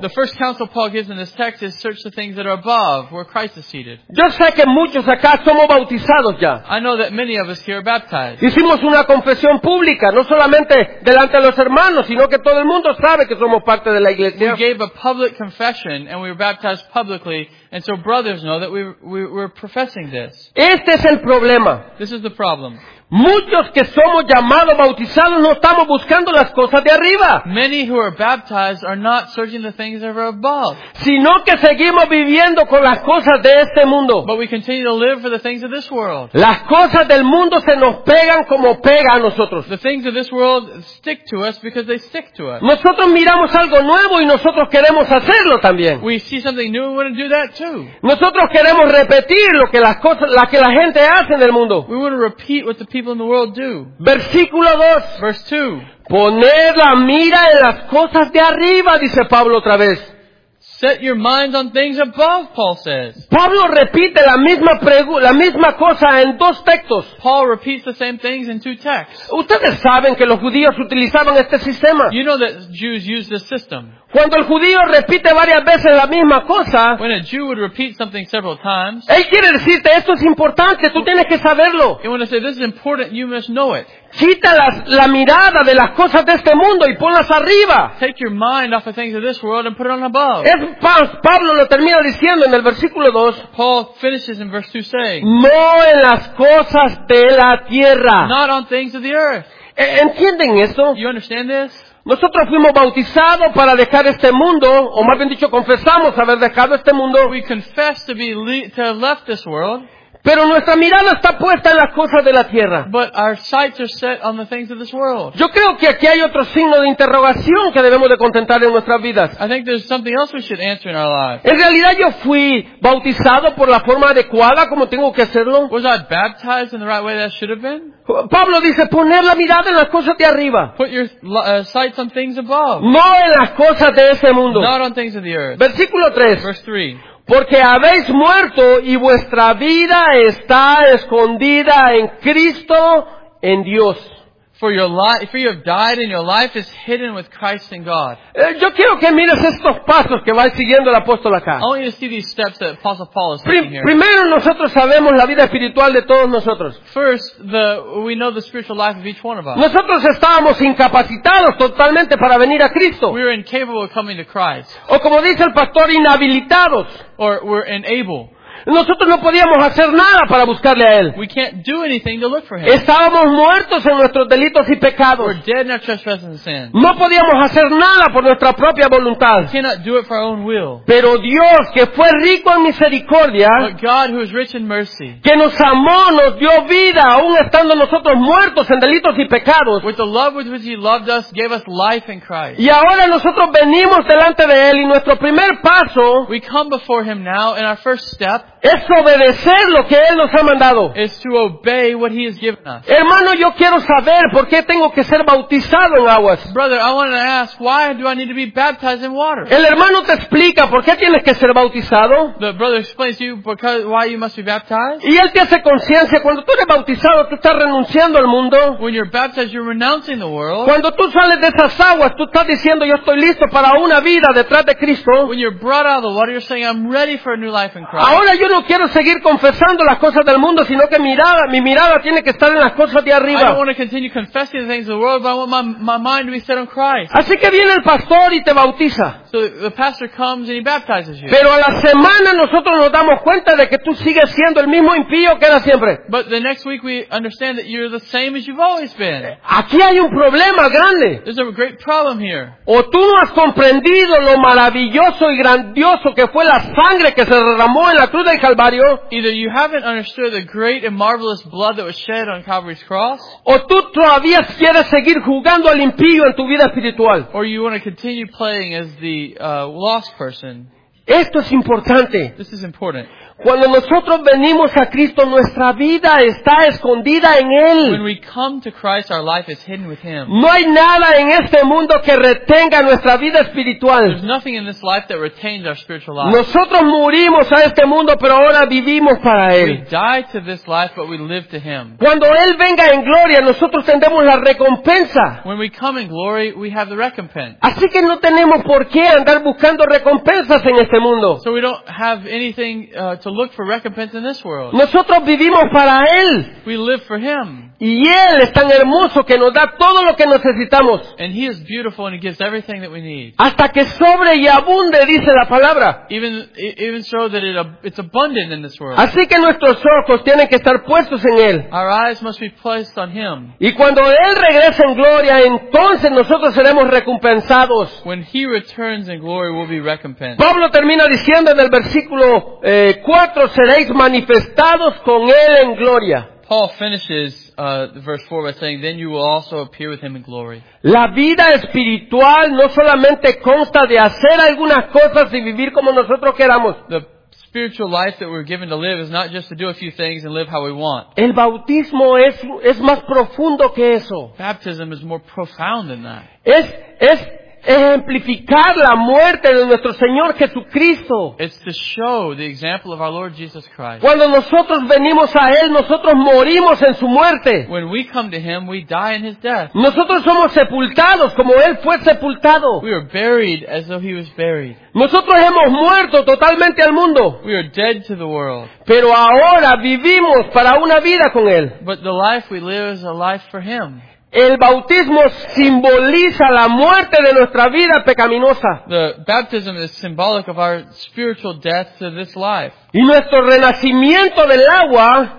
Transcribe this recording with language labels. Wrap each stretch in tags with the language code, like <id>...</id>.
<en>The first counsel Paul gives in this text is search the things that are above, where Christ is seated.</en> <es>Yo sé que muchos acá somos bautizados ya.</es> <en>I know that many of us here are baptized.</en> <es>Hicimos una confesión pública, no solamente delante de los hermanos, sino que todo el mundo sabe que somos parte de la iglesia.</es> <en>We gave a public confession and we were baptized publicly, and so brothers know that we're professing this.</en> <es>Este es el problema.</es> <en>This is the problem.</en> <es>Muchos que somos llamados, bautizados, no estamos buscando las cosas de arriba.</es> <en>Many who are baptized are not searching the things that are above.</en> <es>Sino que seguimos viviendo con las cosas de este mundo.</es> <en>But we continue to live for the things of this world.</en> <es>Las cosas del mundo se nos pegan como pega a nosotros.</es> <en>The things of this world stick to us because they stick to us.</en> <es>Nosotros miramos algo nuevo y nosotros queremos hacerlo también.</es> <en>We see something new and we want to do that too.</en> <es>Nosotros queremos repetir lo que las cosas, lo que la gente hace en el mundo.</es> <en>We want to repeat what the people in the world do.</en> <es>Versículo 2.</es> <en>Verse 2.</en> <es>Poner la mira en las cosas de arriba, dice Pablo otra vez.</es> <en>Set your minds on things above, Paul says.</en> <es>Pablo repite la misma cosa en dos textos.</es> <en>Paul repeats the same things in two texts.</en> <es>Ustedes saben que los judíos utilizaban este sistema.</es> <en>You know that Jews use this system.</en> <es>Cuando el judío repite varias veces la misma cosa,</es> <en>when a Jew would repeat something several times,</en> <es>él quiere decirte, esto es importante, tú tienes que saberlo.</es> <en>He wants to say, this is important, you must know it.</en> <es>Quita la mirada de las cosas de este mundo y ponlas arriba.</es> <en>Take your mind off the things of this world and put it on above.</en> <es>Pablo lo termina diciendo en el versículo 2.</es> <en>Paul finishes in verse 2 saying,</en> <es>no en las cosas de la tierra.</es> <en>Not on things of the earth.</en> <es>¿Entienden esto?</es> <en>You understand this?</en> <es>Nosotros fuimos bautizados para dejar este mundo, o más bien dicho, confesamos haber dejado este mundo.</es> <en>We confess to have left this world.</en> <es>Pero nuestra mirada está puesta en las cosas de la tierra.</es> <en>But our sights are set on the things of this world.</en> <es>Yo creo que aquí hay otro signo de interrogación que debemos de contestar en nuestras vidas.</es> <en>I think there's something else we should answer in our lives.</en> <es>¿En realidad yo fui bautizado por la forma adecuada como tengo que hacerlo?</es> <en>Was I baptized in the right way that I should have been?</en> <es>Pablo dice, poner la mirada en las cosas de arriba.</es> <en>Put your sights on things above.</en> <es>No en las cosas de ese mundo.</es> <en>Not on things of the earth.</en> <es>Versículo 3.</es> <en>Verse 3.</en> <es>Porque habéis muerto y vuestra vida está escondida en Cristo, en Dios.</es> <en>For you have died and your life is hidden with Christ in God.</en> <es>Yo quiero que mires estos pasos que va siguiendo el apóstol acá.</es> <en>I want you to see these steps that Apostle Paul is taking here.</en> <es>Primero nosotros sabemos la vida espiritual de todos nosotros.</es> <en>First, we know the spiritual life of each one of us.</en> <es>Nosotros estábamos incapacitados totalmente para venir a Cristo.</es> <en>We were incapable of coming to Christ.</en> <es>O como dice el pastor, inhabilitados.</es> <en>Or we're unable.</en> <es>Nosotros no podíamos hacer nada para buscarle a Él.</es> <en>We can't do anything to look for Him.</en> <es>Estábamos muertos en nuestros delitos y pecados.</es> <en>We're dead in our trespasses and sins.</en> <es>No podíamos hacer nada por nuestra propia voluntad.</es> <en>We cannot do it for our own will.</en> <es>Pero Dios, que fue rico en misericordia,</es> <en>but God, who is rich in mercy,</en> <es>que nos amó, nos dio vida, aún estando nosotros muertos en delitos y pecados,</es> <en>with the love with which He loved us, gave us life in Christ.</en> <es>Y ahora nosotros venimos delante de Él y nuestro primer paso,</es> <en>we come before Him now, and our first step,</en> <es>es obedecer lo que Él nos ha mandado.</es> <en>Is to obey what He has given us.</en> <es>Hermano, yo quiero saber por qué tengo que ser bautizado en aguas.</es> <en>Brother, I want to ask, why do I need to be baptized in water?</en> <es>El hermano te explica por qué tienes que ser bautizado.</es> <en>The brother explains to you because why you must be baptized.</en> <es>Y él te hace conciencia, cuando tú eres bautizado, tú estás renunciando al mundo.</es> <en>When you're baptized, you're renouncing the world.</en> <es>Cuando tú sales de esas aguas, tú estás diciendo, yo estoy listo para una vida detrás de Cristo.</es> <en>When you're brought out of the water, you're saying, I'm ready for a new life in Christ.</en> <es>Ahora yo no quiero seguir confesando las cosas del mundo, sino que mi mirada tiene que estar en las cosas de arriba.</es> <en>I don't want to continue confessing the things of the world, but I want my mind to be set on Christ.</en> <es>Así que viene el pastor y te bautiza.</es> <en>So the pastor comes and he baptizes you.</en> <es>Pero a la semana nosotros nos damos cuenta de que tú sigues siendo el mismo impío que era siempre.</es> <en>But the next week we understand that you're the same as you've always been.</en> <es>Aquí hay un problema grande.</es> <en>There's a great problem here.</en> <es>O tú no has comprendido lo maravilloso y grandioso que fue la sangre que se derramó en la cruz del Calvario.</es> <en>Either you haven't understood the great and marvelous blood that was shed on Calvary's cross.</en> <es>O tú todavía quieres seguir jugando al impío en tu vida espiritual.</es> <en>Or you want to continue playing as the lost person.</en> <es>Esto es importante.</es> <en>This is important.</en> <es>Cuando nosotros venimos a Cristo, nuestra vida está escondida en Él.</es> <en>When we come to Christ, our life is hidden with Him.</en> <es>No hay nada en este mundo que retenga nuestra vida espiritual.</es> <en>There's nothing in this life that retains our spiritual life.</en> <es>Nosotros morimos a este mundo, pero ahora vivimos para Él.</es> <en>We die to this life, but we live to Him.</en> <es>Cuando Él venga en gloria, nosotros tendremos la recompensa.</es> <en>When we come in glory, we have the recompense.</en> <es>Así que no tenemos por qué andar buscando recompensas en este mundo.</es> <en>So we don't have anything to look for recompense in this world.</en> <es>Nosotros vivimos para Él.</es> <en>We live for Him.</en> <es>Y Él es tan hermoso que nos da todo lo que necesitamos.</es> <en>And He is beautiful and He gives everything that we need.</en> <es>Hasta que sobre y abunde, dice la palabra.</es> <en>Even so that it's abundant in this world.</en> <es>Así que nuestros ojos tienen que estar puestos en Él.</es> <en>Our eyes must be placed on Him.</en> <es>Y cuando Él regrese en gloria, entonces nosotros seremos recompensados.</es> <en>When He returns in glory, we'll be recompensed.</en> <es>Pablo termina diciendo en el versículo 4, seréis manifestados con Él en gloria.</es> <en>Paul finishes verse 4 by saying, then you will also appear with Him in glory.</en> <es>La vida espiritual no solamente consta de hacer algunas cosas y vivir como nosotros queramos.</es> <en>The spiritual life that we're given to live is not just to do a few things and live how we want.</en> <es>El bautismo es más profundo que eso.</es> <en>Baptism is more profound than that.</en> <es>Es ejemplificar la muerte de nuestro Señor Jesucristo.</es> <en>It's to show the example of our Lord Jesus Christ.</en> <es>Cuando nosotros venimos a Él, nosotros morimos en su muerte.</es> <en>When we come to Him, we die in His death.</en> <es>Nosotros somos sepultados como Él fue sepultado.</es> <en>We are buried as though He was buried.</en> <es>Nosotros hemos muerto totalmente al mundo.</es> <en>We are dead to the world.</en> <es>Pero ahora vivimos para una vida con Él.</es> <en>But the life we live is a life for Him.</en> <es>El bautismo simboliza la muerte de nuestra vida pecaminosa.</es> <en>The baptism is symbolic of our spiritual death to this life.</en> <es>Y nuestro renacimiento del agua,</es>